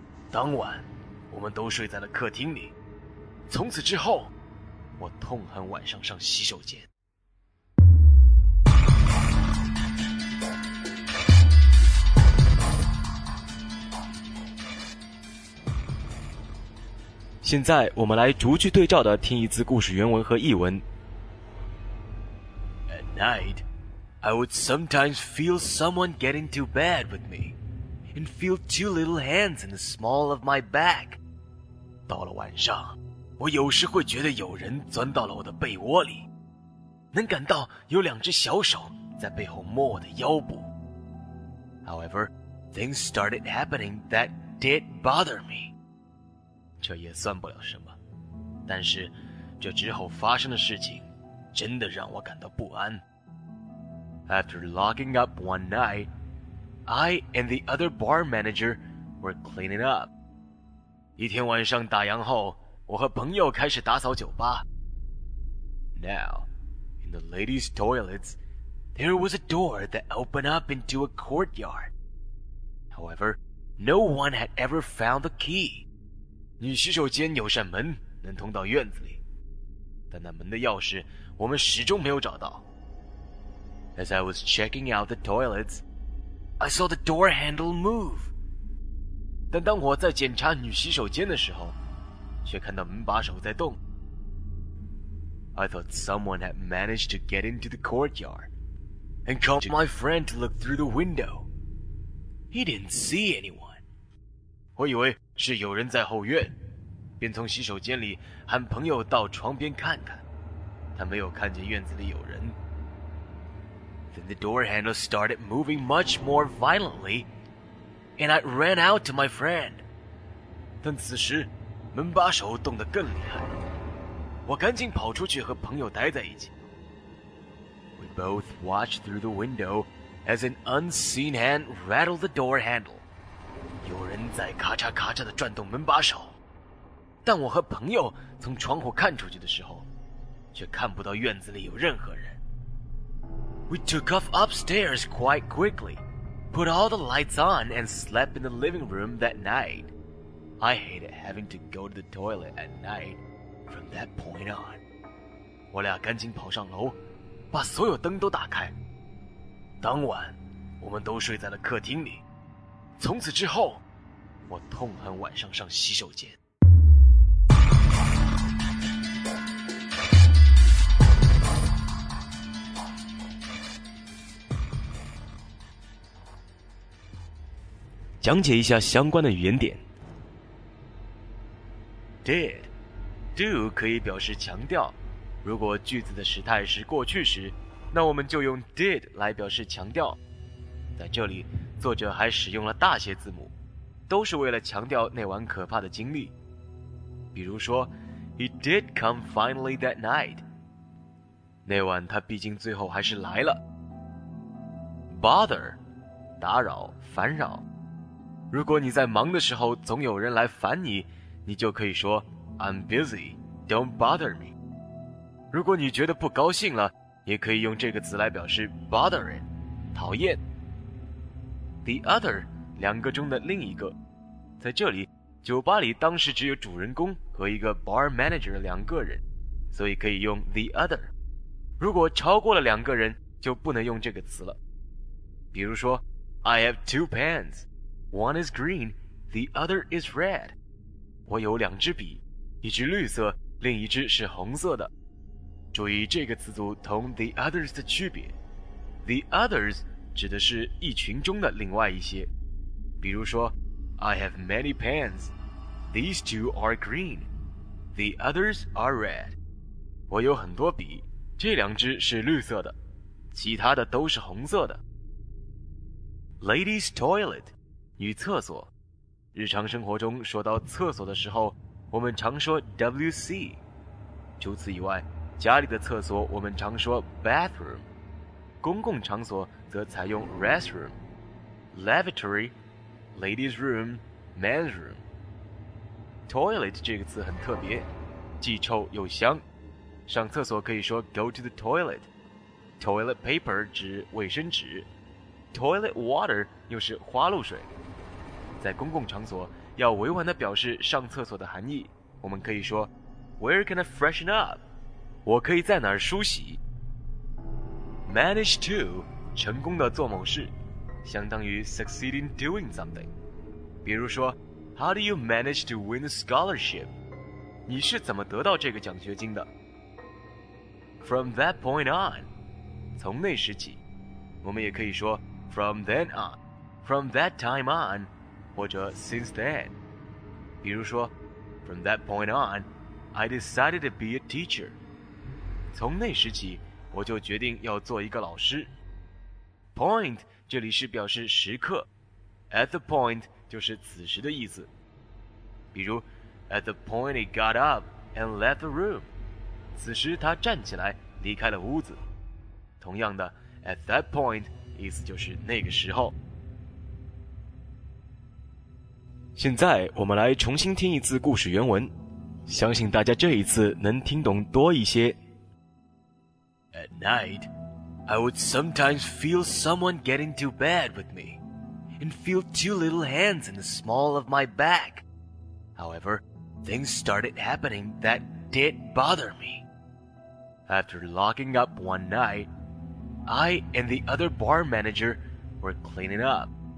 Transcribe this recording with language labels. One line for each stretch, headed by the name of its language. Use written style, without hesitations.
Chinese: 当晚我们都睡在了客厅里。从此之后，我痛恨晚上上洗手间。现在我们来逐句对照的听一次故事原文和译文。
English: At night, I would sometimes feel someone get into bed with me, and feel two little hands in the small of my back.
Chinese: 到了晚上，我有时会觉得有人钻到了我的被窝里，能感到有两只小手在背后摸我的腰部。
English: However, things started happening that did bother me.
Chinese: 这也算不了什么，但是这之后发生的事情真的让我感到不安。
English: After locking up one night, I and the other bar manager were cleaning up.
Chinese: 一天晚上打烊后，我和朋友开始打扫酒吧。
English: Now, in the ladies' toilets, there was a door that opened up into a courtyard. However, no one had ever found the key.
Chinese: 女洗手间有扇门能通到院子里，但那门的钥匙我们始终没有找到。
English: As I was checking out the toilets, I saw the door handle move.
Chinese: 但当我在检查女洗手间的时候，却看到门把手在动。
English: I thought someone had managed to get into the courtyard and called my friend to look through the window. He didn't see anyone.
Chinese: 我以为是有人在后院，便从洗手间里喊朋友到床边看看。他没有看见院子里有人。
English: Then the door handle started moving much more violently, and I ran out to my friend.
Chinese: 但此时门把手动得更厉害了。我赶紧跑出去和朋友待在一起。
English: We both watched through the window as an unseen hand rattled the door handle.
Chinese: 有人在咔嚓咔嚓地转动门把手。但我和朋友从窗户看出去的时候，却看不到院子里有任何人。
English: We took off upstairs quite quickly, put all the lights on, and slept in the living room that night. I hated having to go to the toilet at night from that point on.
Chinese: 我俩赶紧跑上楼，把所有灯都打开。当晚，我们都睡在了客厅里。从此之后，我痛恨晚上上洗手间。讲解一下相关的语言点。 Did, do 可以表示强调。如果句子的时态是过去时，那我们就用 did 来表示强调。在这里，作者还使用了大写字母，都是为了强调那晚可怕的经历。比如说
English: ，He did come finally that night。
Chinese: 那晚他毕竟最后还是来了。 Bother, 打扰、烦扰。如果你在忙的时候总有人来烦你，你就可以说
English: I'm busy, don't bother me.
Chinese: 如果你觉得不高兴了，也可以用这个词来表示 bothering, 讨厌。 The other, 两个中的另一个。在这里，酒吧里当时只有主人公和一个 bar manager 两个人，所以可以用 the other。如果超过了两个人，就不能用这个词了。比如说
English: I have two pens. One is green, the other is red.
Chinese: 我有两支笔，一支绿色，另一支是红色的。注意这个词组同 the others 的区别。 The others 指的是一群中的另外一些。
English: 比如说 I have many pens. These two are green. The others are red.
Chinese: 我有很多笔，这两支是绿色的，其他的都是红色的。
English: Ladies' toilet.
Chinese: 女厕所，日常生活中说到厕所的时候，我们常说 WC。除此以外，家里的厕所我们常说 bathroom， 公共场所则采用 restroom、
English: lavatory、ladies' room、men's room。
Chinese: Toilet 这个词很特别，既臭又香。上厕所可以说
English: go to the toilet。
Chinese: Toilet paper 指卫生纸，toilet water 又是花露水。在公共场所要委婉地表示上厕所的含义，我们可以说
English: Where can I freshen up?
Chinese: 我可以在哪儿梳洗。
English: Manage to
Chinese: 成功地做某事，相当于
English: succeed in doing something。
Chinese: 比如说
English: How do you manage to win a scholarship?
Chinese: 你是怎么得到这个奖学金的？
English: From that point on
Chinese: 从那时起，我们也可以说
English: From then on From that time on
Chinese: 或者
English: since then，
Chinese: 比如说
English: ，from that point on， I decided to be a teacher。
Chinese: 从那时起，我就决定要做一个老师。 Point 这里是表示时刻 ，at the point 就是此时的意思。比如 ，
English: at the point he got up and left the room，
Chinese: 此时他站起来离开了屋子。同样的 ，at that point 意思就是那个时候。现在我们来重新听一次故事原文，相信大家这一次能听懂多一些。
English: At night, I would sometimes feel someone get into bed with me, and feel two little hands in the small of my back. However, things started happening that did bother me. After locking up one night, I and the other bar manager were cleaning up.